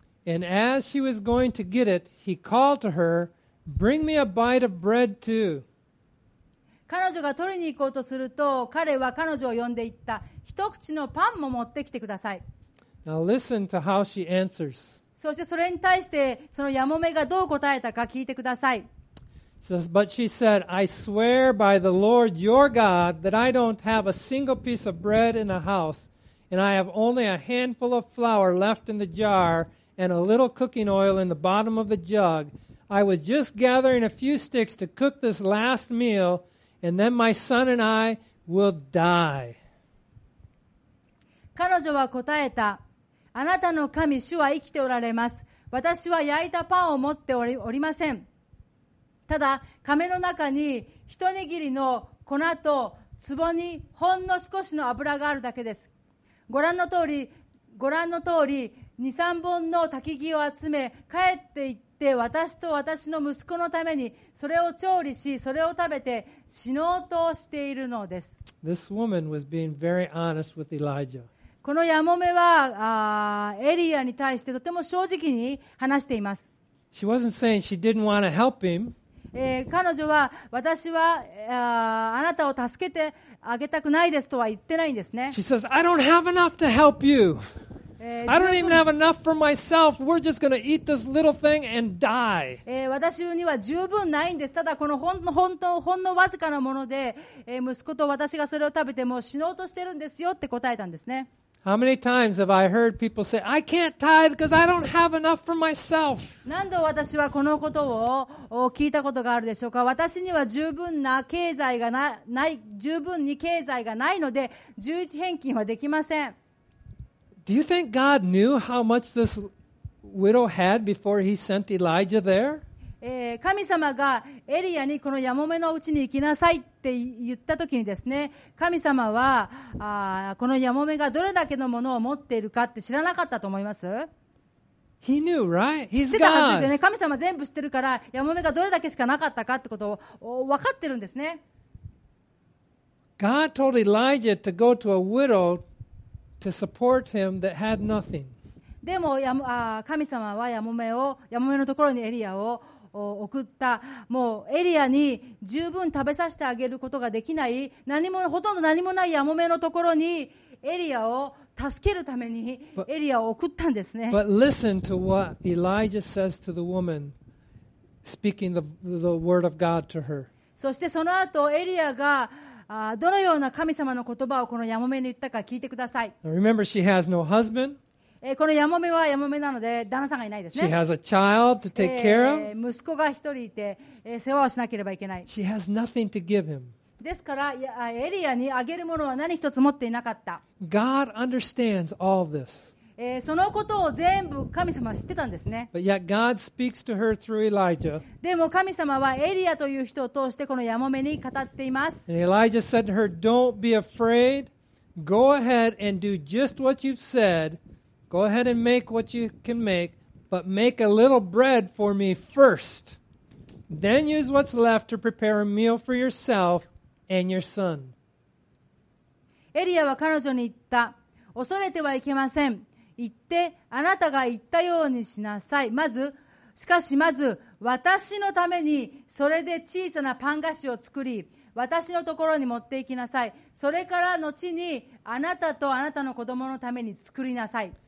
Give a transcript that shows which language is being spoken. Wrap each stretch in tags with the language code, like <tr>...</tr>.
<en>And as she was going to get it, he called to her, "Bring me a bite of bread too."</en> <ja>彼女が取りに行こうとすると、彼は彼女を呼んでいった。一口のパンも持ってきてください。</ja> <en>Now listen to how she answers.</en> <ja>そしてそれに対してそのヤモメがどう答えたか聞いてください。</ja> <en>But she said, "I swear by the Lord your God that I don't have a single piece of bread in the house, and I have only a handful of flour left in the jar and a little cooking oil in the bottom of the jug. I was just gathering a few sticks to cook this last meal, and then my son and I will die."</en> <ja>彼女は答えた。あなたの神主は生きておられます。私は焼いたパンを持っておりません。ただ、亀の中に一握りの粉と壺にほんの少しの油があるだけです。ご覧の通り、二三本の焚き木を集め、帰って行って私と私の息子のためにそれを調理し、それを食べて死のうとしているのです。</ja> <en>This woman was being very honest with Elijah.</en> <ja>このヤモメはエリアに対してとても正直に話しています。</ja> <en>She wasn't saying she didn't want to help him.</en> <ja>彼女は私はあなたを助けてあげたくないですとは言ってないんですね。</ja> <en>She says, "I don't have enough to help you. I don't even have enough for myself. We're just going to eat this little thing and die."</en> <ja>私には十分ないんです。ただこのほんのわずかなもので、息子と私がそれを食べてもう死のうとしてるんですよって答えたんですね。</ja> <en>How many times have I heard people say, "I can't tithe because I don't have enough for myself"?</en> <ja>何度私はこのことを聞いたことがあるでしょうか。私には十分な経済がない、十分に経済がないので、十一返金はできません。</ja> <en>Do you think God knew how much this widow had before He sent Elijah there?</en> <ja>神様がエリアにこのヤモメの家に行きなさい。って言った時にですね、神様はこのヤモメがどれだけのものを持っているかって知らなかったと思います。</ja> <en>He knew, right? He's God.</en> <ja>知ってたはずですよね。神様全部知ってるからヤモメがどれだけしかなかったかってことを分かってるんですね。</ja> <en>God told Elijah to go to a widow to support him that had nothing.</en> <ja>でも神様はヤモメのところにエリアを送った。もうエリアに十分食べさせてあげることができない、ほとんど何もないヤモメのところにエリアを助けるためにエリアを送ったんですね。</ja> <en>But listen to what Elijah says to the woman, speaking the word of God to her.</en> <ja>そしてその後エリアがどのような神様の言葉をこのヤモメに言ったか聞いてください。</ja> <en>Remember, she has no husband.</en> <ja>このヤモメはヤモメなので旦那さんがいないですね。</ja> <en>She has a child to take care of.</en> <ja>息子が一人いて世話をしなければいけない。</ja> <en>She has nothing to give him.</en> <ja>ですからエリアにあげるものは何一つ持っていなかった。</ja> <en>God understands all this.</en> <ja>そのことを全部神様は知ってたんですね。</ja> <en>But yet God speaks to her through Elijah.</en> <ja>でも神様はエリアという人を通してこのヤモメに語っています。</ja> <en>And Elijah said to her, "Don't be afraid. Go ahead and do just what you've said." Go ahead and make what you can make, but make a little bread for me first. Then use what's left to prepare a meal for yourself and your son.</en> <ja>エリアは彼女に言った。恐れてはいけません。言って、あなたが言ったようにしなさい。まず、私のためにそれで小さなパン菓子を作り、私のところに持っていきなさい。それから後にあなたとあなたの子供のために作りなさい。</ja>